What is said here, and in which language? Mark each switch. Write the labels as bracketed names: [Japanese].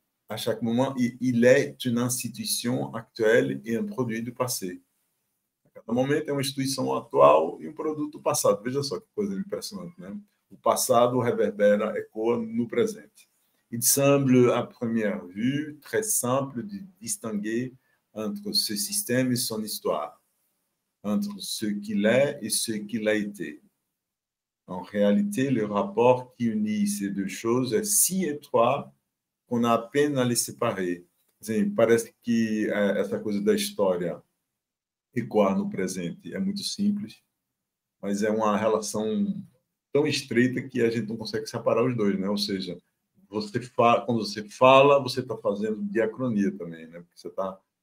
[French] A chaque moment, il est une institution actuelle et un produit du passé. [Portuguese] A cada momento é uma instituição atual e um produto passado. Veja só que coisa impressionante, né? O passado reverbera, ecoa no presente. [French] Il semble à première vue très simple de distinguer entre ce système et son histoire, entre ce qu'il est et ce qu'il a été. En réalité, le rapport qui unit ces deux choses est si étroit qu'on a à peine à les séparer. [Portuguese] Assim, parece que essa coisa da história ecoar no presente é muito simples, mas é uma relação tão estreita que a gente não consegue separar os dois, né? Ou seja, quando você fala, você está fazendo diacronia também, né? Porque você está